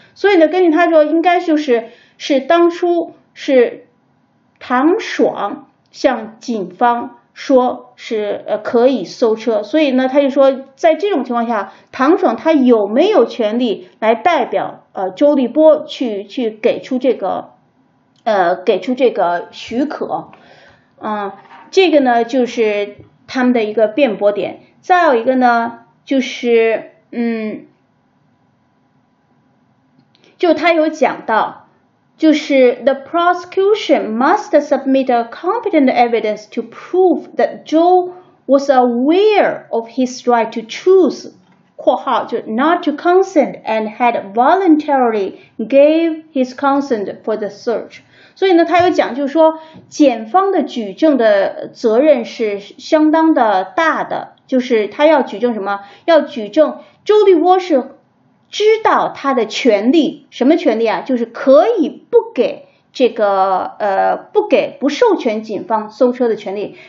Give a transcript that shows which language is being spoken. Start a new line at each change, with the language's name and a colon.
Chinese: 所以呢，根据他说，应该就是当初是唐爽向警方说是可以搜车，所以呢，他就说在这种情况下，唐爽他有没有权利来代表周立波去给出这个许可。这个呢就是他们的一个辩驳点。再有一个呢，就是就他有讲到，就是
English: the prosecution must submit a competent evidence to prove that Zhou was aware of his right to choose
Chinese: （括号就
English: not to consent and had voluntarily gave his consent for the search）。
Chinese: 所以呢，他有讲，就是说检方的举证的责任是相当的大的，就是他要举证什么？要举证周立波是知道他的权利，什么权利啊？就是可以不给这个不授权警方搜车的权利。